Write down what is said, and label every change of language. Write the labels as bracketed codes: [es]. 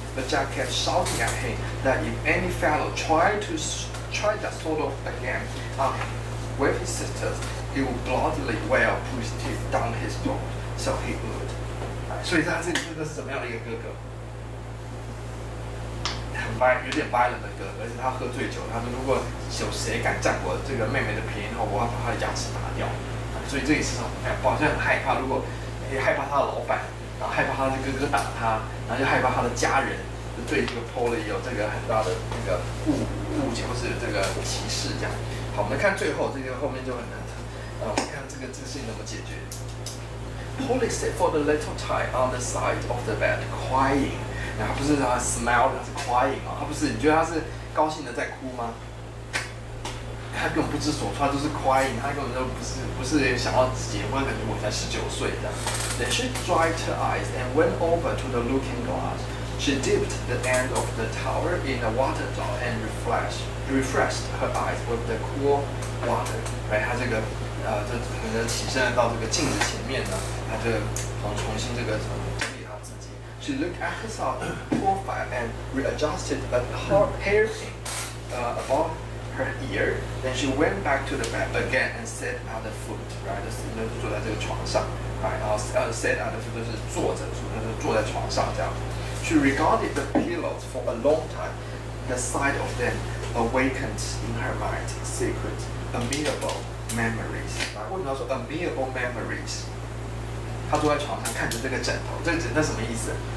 [en] But Jack kept shouting at him that if any fellow tried that sort of again with his sisters, he would bloodily well put his teeth down his throat. So he would. [zh] 所以他这个是什么样的一个哥哥？很 violent， 有点 violent 的哥哥，而且他喝醉酒，他说如果有谁敢占我这个妹妹的便宜的话，我要把他的牙齿打掉。所以这也是很害怕，就很害怕，如果也害怕他的老板，然后害怕他的哥哥打他，然后就害怕他的家人就对这个 Polly 有这个很大的那个误解或是这个歧视这样。好，我们看最后这个后面就很难，我们看这个事情怎么解决。 [en] Polly sat for a little time on the side of the bed, crying. [zh] 那他不是他 smiled， 他是 crying 啊，他不是？你觉得他是高兴的在哭吗？他根本不知所措，他就是 crying， 他根本就不是想要结婚，感觉我才19岁这样。 [en] Then she dried her eyes and went over to the looking glass. She dipped the end of the towel in the water jar and refreshed her eyes with the cool water. [zh] 哎，他这个。就可能起身到这个镜子前面呢，他就好重新这个整理他自己。 [en] She looked at herself profile and readjusted a hairpin above her ear. Then she went back to the bed again and sat at the foot. [zh] Right， 那就坐在这个床上。Right， 然后 [en] sat at the foot [zh] 就是坐着，所以就坐在床上这样。 [en] She regarded the pillows for a long time. The sight of them awakened in her mind secret, amiable. Memories， [zh] 为什么要说 [en] amiable memories？ [zh] 他坐在床上看着这个枕头，这个枕头什么意思？